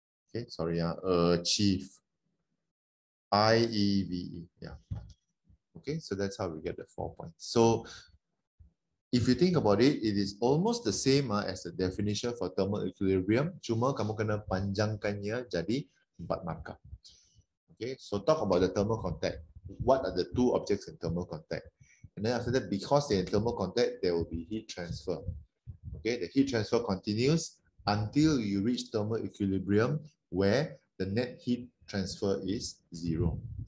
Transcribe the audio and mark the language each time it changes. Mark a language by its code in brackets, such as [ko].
[en] Okay, sorry, achieve. IEVE. Yeah. Okay, so that's how we get the 4 points. So if you think about it, it is almost the same as the definition for thermal equilibrium. [ms] Cuma kamu kena panjangkannya jadi 4 markah. [en] Okay, so talk about the thermal contact. What are the two objects in thermal contact? And then after that, because they're in thermal contact, there will be heat transfer. Okay, the heat transfer continues until you reach thermal equilibrium where the net heat transfer is zero.